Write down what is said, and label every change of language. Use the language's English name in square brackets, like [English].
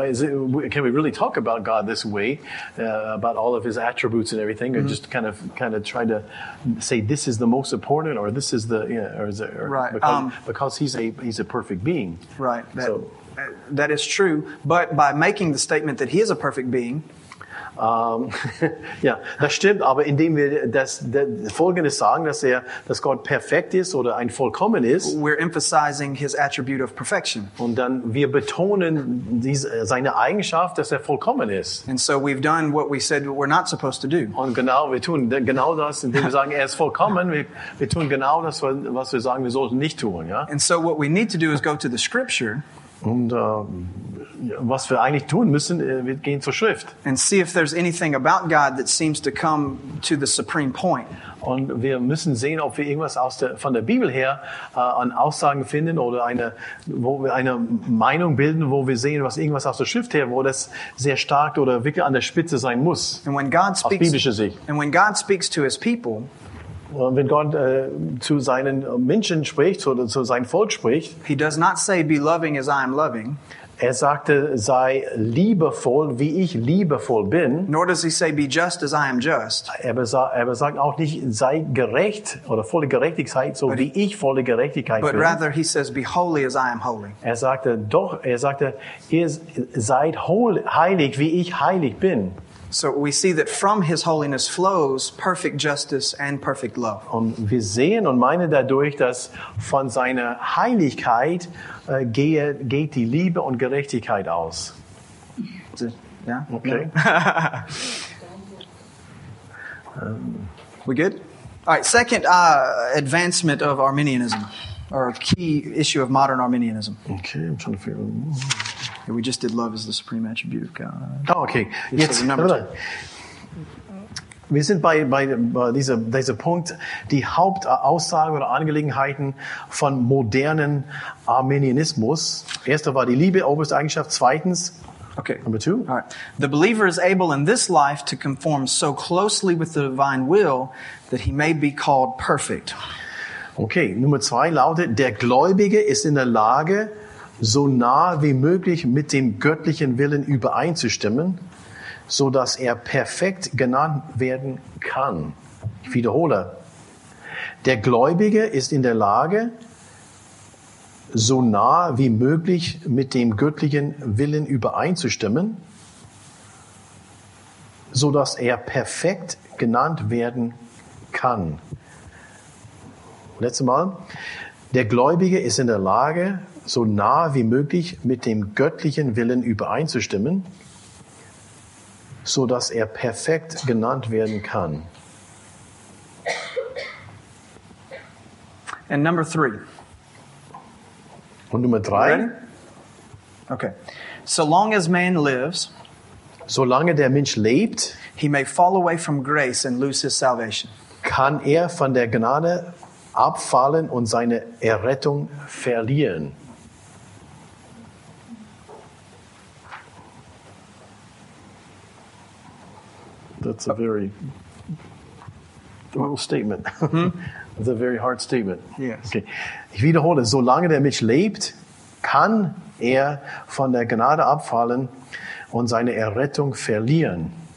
[English] Can we really talk about God this way, about all of his attributes and everything, mm-hmm. or just kind of try to say this is the most important, or this is the because he's a perfect being. Right. That is true, but by making the statement that he is a perfect being, [German] ja, das stimmt. Aber indem wir das Folgende sagen, dass Gott perfekt ist oder ein Vollkommen ist, [English] we're emphasizing his attribute of perfection. [German] Und dann wir betonen seine Eigenschaft, dass vollkommen ist. [English] And so we've done what we said we're not supposed to do. [German] Und genau, wir tun genau das, indem wir sagen, vollkommen. Wir tun genau das, was wir sagen, wir sollten nicht tun. Ja? [English] And so what we need to do is go to the Scripture. [German] Und was wir eigentlich tun müssen, wir gehen zur Schrift. [English] And see if there's anything about God that seems to come to the supreme point. [German] Und wir müssen sehen, ob wir irgendwas von der Bibel her an Aussagen finden oder eine Meinung bilden, wo wir sehen, was irgendwas aus der Schrift her, wo das sehr stark oder wirklich an der Spitze sein muss. [English] And when God speaks, [German] aus biblischer Sicht. [English] And when God speaks to his people, [German] und wenn Gott zu seinen Menschen spricht oder zu seinem Volk spricht, [English] he does not say, be loving as I am loving. [German] Er sagte, sei liebevoll, wie ich liebevoll bin. [English] Nor does he say, be just as I am just. [German] Er sagt auch nicht, sei gerecht oder volle Gerechtigkeit, so wie ich volle Gerechtigkeit [English] but [German] bin. [English] But rather he says, be holy as I am holy. [German] Er sagte, ihr seid heilig, wie ich heilig bin. [English] So we see that from his holiness flows perfect justice and perfect love. [German] Und wir sehen und meinen dadurch, dass von seiner Heiligkeit geht die Liebe und Gerechtigkeit aus. Ja? [English] Okay. We good? All right, second advancement of Arminianism, or key issue of modern Arminianism. Okay, I'm trying to figure out. We just did love as the supreme attribute of God. Oh, okay. [German] Jetzt, wir sind bei dieser Punkt, die Hauptaussage oder Angelegenheiten von modernen Arminianismus. Erster war die Liebe, oberste Eigenschaft. Zweitens, okay. [English] Number two. All right. The believer is able in this life to conform so closely with the divine will that he may be called perfect. [German] Okay, Nummer zwei lautet, der Gläubige ist in der Lage, so nah wie möglich mit dem göttlichen Willen übereinzustimmen, so dass er perfekt genannt werden kann. Ich wiederhole. Der Gläubige ist in der Lage, so nah wie möglich mit dem göttlichen Willen übereinzustimmen, so dass er perfekt genannt werden kann. Letztes Mal. Der Gläubige ist in der Lage, so nah wie möglich mit dem göttlichen Willen übereinzustimmen, so dass er perfekt genannt werden kann. [English] And number three. [German] Und Nummer drei. [English] Ready? Okay. So long as man lives, [German] solange der Mensch lebt, [English] he may fall away from grace and lose his salvation. [German] Kann er von der Gnade abfallen und seine Errettung verlieren. [English] That's a very bold statement. It's a very hard statement. Yes. Okay. [German] Ich wiederhole, solange der Mensch lebt, kann er von der Gnade abfallen und seine Errettung verlieren.